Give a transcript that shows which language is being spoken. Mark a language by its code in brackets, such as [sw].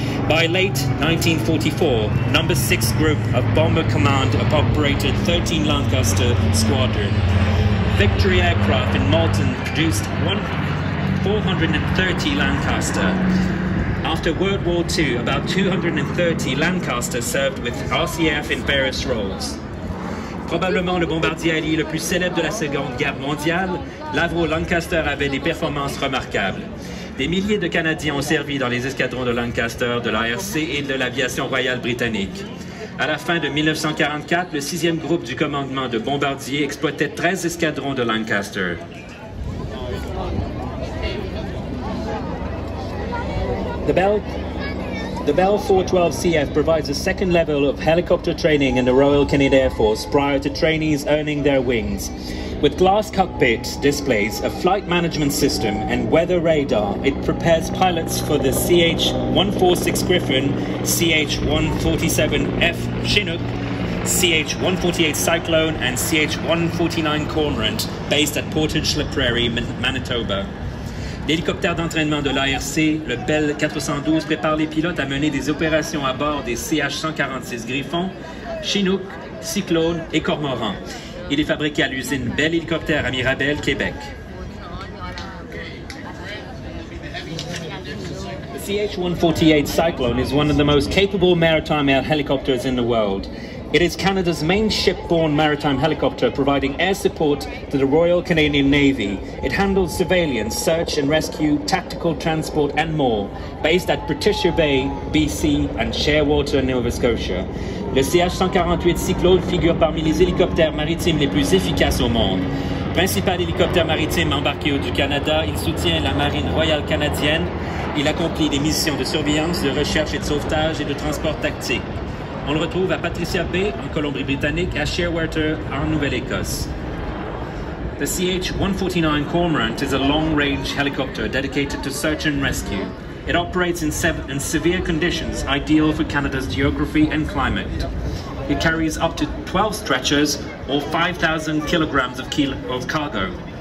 [en] By late 1944, No. 6 Group of Bomber Command operated 13 Lancaster squadron. Victory Aircraft in Malton produced 430 Lancaster. After World War II, about 230 Lancaster served with RCAF in various roles. [fr] Probablement le bombardier allié le plus célèbre de la Seconde Guerre mondiale, l'Avro Lancaster avait des performances remarquables. Des milliers de Canadiens ont servi dans les escadrons de Lancaster, de l'ARC et de l'aviation royale britannique. À la fin de 1944, le 6e groupe du commandement de bombardiers exploitait 13 escadrons de Lancaster. [en] The Bell 412CF provides a second level of helicopter training in the Royal Canadian Air Force prior to trainees earning their wings. With glass cockpit displays, a flight management system, and weather radar, it prepares pilots for the CH-146 Griffin, CH-147F Chinook, CH-148 Cyclone, and CH-149 Cormorant, based at Portage La Prairie, Manitoba. [fr] L'hélicoptère d'entraînement de l'ARC, le Bell 412, prépare les pilotes à mener des opérations à bord des CH-146 Griffon, Chinook, Cyclone et Cormoran. Il est fabriqué à l'usine Bell Hélicoptère à Mirabel, Québec. [en] The CH-148 Cyclone is one of the most capable maritime air helicopters in the world. It is Canada's main ship-borne maritime helicopter, providing air support to the Royal Canadian Navy. It handles surveillance, search and rescue, tactical transport, and more, based at Patricia Bay, BC, and Shearwater, Nova Scotia. [fr] Le CH-148 Cyclone figure parmi les hélicoptères maritimes les plus efficaces au monde. Principal hélicoptère maritime embarqué du Canada, il soutient la Marine Royale Canadienne. Il accomplit des missions de surveillance, de recherche et de sauvetage et de transport tactique. On le retrouve à Patricia Bay, en Colombie-Britannique, à Shearwater, en Nouvelle-Écosse. [en] The CH-149 Cormorant is a long-range helicopter dedicated to search and rescue. It operates in severe conditions, ideal for Canada's geography and climate. It carries up to 12 stretchers, or 5,000 kilograms of cargo.